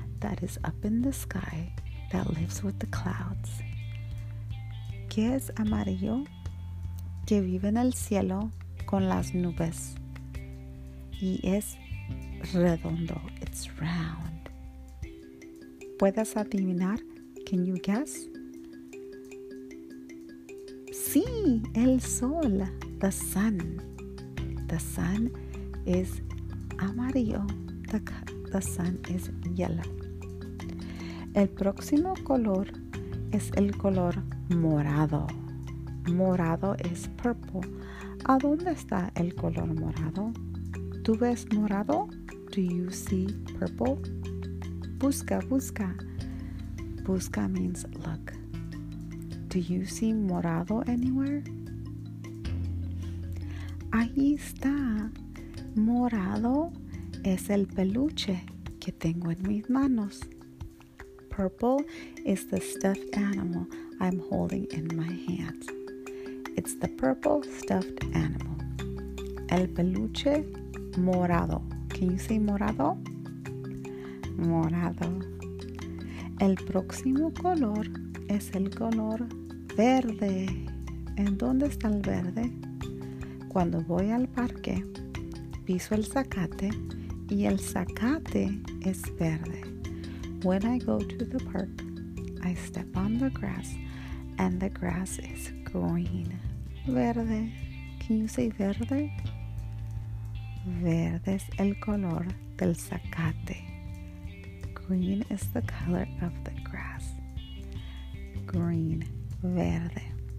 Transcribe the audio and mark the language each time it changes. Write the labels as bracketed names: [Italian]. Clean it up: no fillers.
[English] That is up in the sky, that lives with the clouds. [Spanish] ¿Qué es amarillo? Que vive en el cielo con las nubes. Y es redondo. [English] It's round. [Spanish] ¿Puedes adivinar? [English] Can you guess? [Spanish] Sí, el sol, [English] the sun. The sun is amarillo. The sun is yellow. [Spanish] El próximo color es el color morado. [English] Morado is purple. [Spanish] ¿A dónde está el color morado? ¿Tú ves morado? [English] Do you see purple? [Spanish] Busca, busca. [English] Busca means look. Do you see morado anywhere? [Spanish] Ahí está. Morado es el peluche que tengo en mis manos. [English] Purple is the stuffed animal I'm holding in my hands. It's the purple stuffed animal. [Spanish] El peluche morado. [English] Can you say morado? Morado. [Spanish] El próximo color es el color verde. ¿En dónde está el verde? Cuando voy al parque, piso el zacate y el zacate es verde. [English] When I go to the park, I step on the grass and the grass is green. [Spanish] Verde. [English] Can you say verde? [Spanish] Verde es el color del zacate. [English] Green is the color of the grass. Green, verde.